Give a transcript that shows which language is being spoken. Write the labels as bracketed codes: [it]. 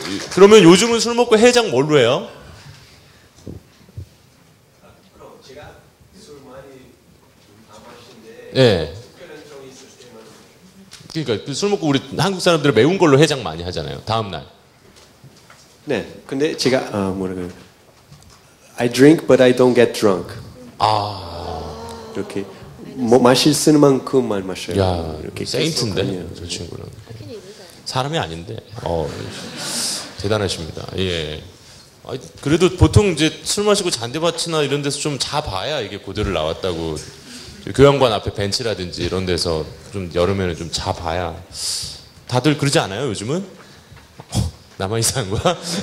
[ko] 그러면 요즘은 술 먹고 해장 뭘로 해요? 그럼 제가 술 많이 안 마시는데 네. 특별한 정이 있을 때만 그러니까 술 먹고 우리 한국 사람들은 매운 걸로 해장 많이 하잖아요. 다음 날. 네. 근데 제가 [en] I drink but I don't get drunk. [ko] 아. 이렇게 뭐 마실 수 있는 만큼만 마셔요. 야, 이렇게 세인트인데 저 친구는. 사람이 아닌데 대단하십니다. 예. 그래도 보통 이제 술 마시고 잔디밭이나 이런 데서 좀 자봐야 이게 고대를 나왔다고 교양관 앞에 벤치라든지 이런 데서 좀 여름에는 좀 자봐야 다들 그러지 않아요 요즘은? 나만 이상한 거야?